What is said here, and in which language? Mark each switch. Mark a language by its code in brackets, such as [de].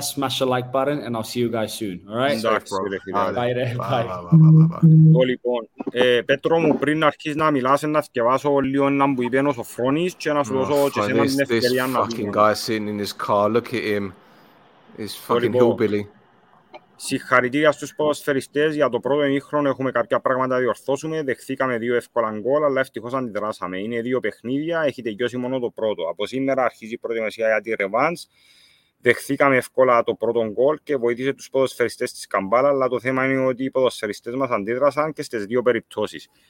[en] Smash the like button, and I'll see you guys soon. All right, thanks, bro. Bye. [el] Όλοι λοιπόν, Πέτρο μου, πριν να αρχίσεις να μιλάς, να σκεφάσω λίγο να μου είπε ο Σοφρόνης και να σου δώσω και σε μας την ευκαιρία να μιλήσω. [en] This fucking guy sitting in his car, look at him. He's fucking hillbilly. [el] Συγχαρητήρια στους ποδοσφαιριστές, για το πρώτο ημίχρονο έχουμε κάποια πράγματα να διορθώσουμε. Δεχθήκαμε 2 εύκολα γκολ, αλλά ευτυχώς αντιδράσαμε. Είναι 2 παιχνίδια, έχει τελειώσει μόνο το πρώτο. Από σήμερα αρχίζει η προετοιμασία για τη revanche. Δεχθήκαμε εύκολα το πρώτο γκολ και βοήθησε τους ποδοσφαιριστές της Καμπάλα, αλλά το θέμα είναι ότι οι ποδοσφαιριστές μας αντίδρασαν και στις 2 περιπτώσεις.